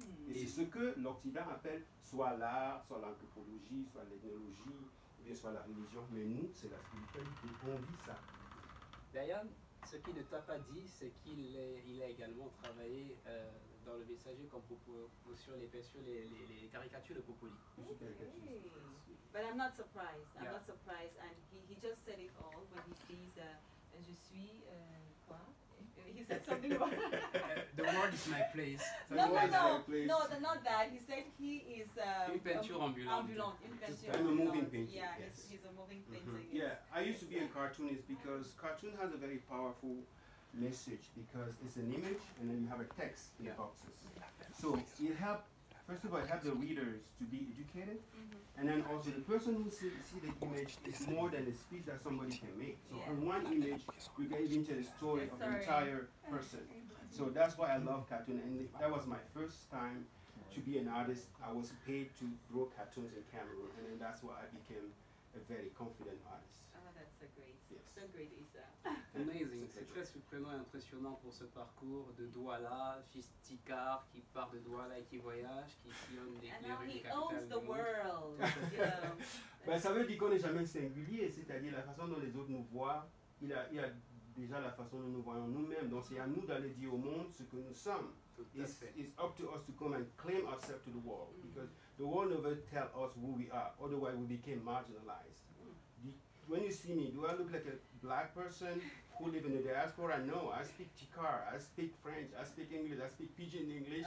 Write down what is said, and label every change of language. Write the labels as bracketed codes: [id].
[fr] Et c'est ce que l'Occident appelle soit l'art, soit l'anthropologie, soit l'ethnologie, soit la religion. Mais nous, c'est la spiritualité. On vit ça. Diane, ce qu'il ne t'a pas dit, c'est qu'il a également travaillé dans le messager comme sur les peintures, les caricatures de Popoli. [en] Okay. But I'm not surprised. I'm not surprised. And he just said it all when he says, [fr] je suis quoi? [en] He said something about the world is my place. No, not that. He said he is [fr] une peinture ambulante. [en] I'm a moving painting. Yeah, yes. he's a moving painting. Mm-hmm. Yeah, I used to be a cartoonist because cartoon has a very powerful message because it's an image and then you have a text in the boxes. So it helps. First of all, it helps the readers to be educated, mm-hmm. and then also the person who see the image is more than a speech that somebody can make. So in one image, you can even tell the story of the entire person. So that's why I love cartoon, and that was my first time to be an artist. I was paid to draw cartoons in Cameroon, and then that's why I became a very confident artist. So great, Isa. Amazing. [fr] C'est très surprenant et impressionnant pour ce parcours de Douala, fils Tikar, qui part de Douala et qui voyage, qui sillonne les rues capitales du monde. [en] And now he owns the world. [fr] Ben, ça veut dire qu'on n'est jamais singulier, c'est-à-dire la façon dont les autres nous voient, il y a déjà la façon dont nous voyons nous-mêmes. Donc c'est à nous d'aller dire au monde ce que nous sommes. [en] It's up to us to come and claim ourselves to the world, mm-hmm. because the world never tell us who we are, otherwise we became marginalized. When you see me, do I look like a black person who live in the diaspora? No, I speak Tikar, I speak French, I speak English, I speak Pidgin English.